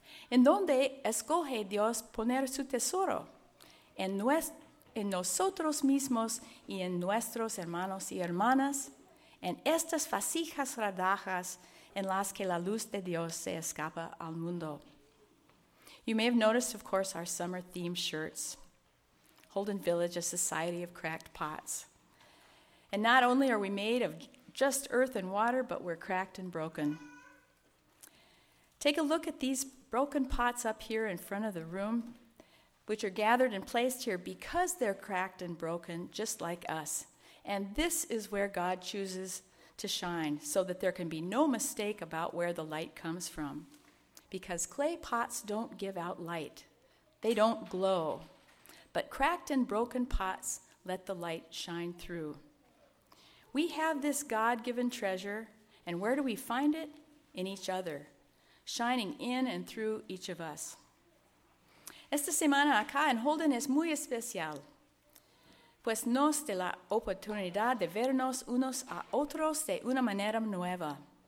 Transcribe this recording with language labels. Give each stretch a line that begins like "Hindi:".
Spanish: ¿En dónde escoge Dios poner su tesoro? En nosotros mismos y en nuestros hermanos y hermanas, en estas vasijas rajadas en las que la luz de Dios se escapa al mundo.
English: You may have noticed, of course, our summer theme shirts. Holden Village, a society of cracked pots. And not only are we made of just earth and water, but we're cracked and broken. Take a look at these broken pots up here in front of the room, which are gathered and placed here because they're cracked and broken, just like us. And this is where God chooses to shine, so that there can be no mistake about where the light comes from. Because clay pots don't give out light. They don't glow. But cracked and broken pots let the light shine through. We have this God-given treasure, and where do we find it? In each other, shining in and through each of us.
Spanish: Esta semana acá en Holden es muy especial, pues nos da la oportunidad de vernos unos a otros de una manera nueva.